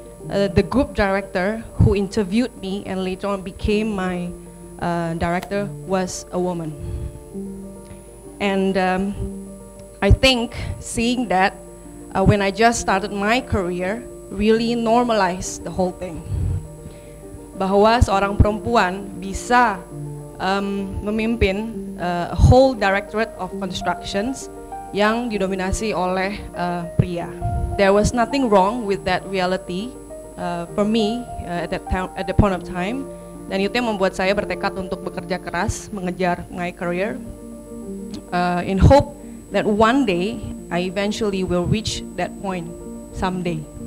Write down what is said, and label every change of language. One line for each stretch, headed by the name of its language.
English: The group director who interviewed me and later on became my director was a woman. And I think seeing that when I just started my career really normalized the whole thing.
Indonesian: Bahwa seorang perempuan bisa memimpin a whole directorate of constructions yang didominasi oleh pria.
English: There was nothing wrong with that reality for me at the point of time. Dan itu yang membuat saya bertekad untuk bekerja keras mengejar my career in hope that one day I eventually will reach that point someday.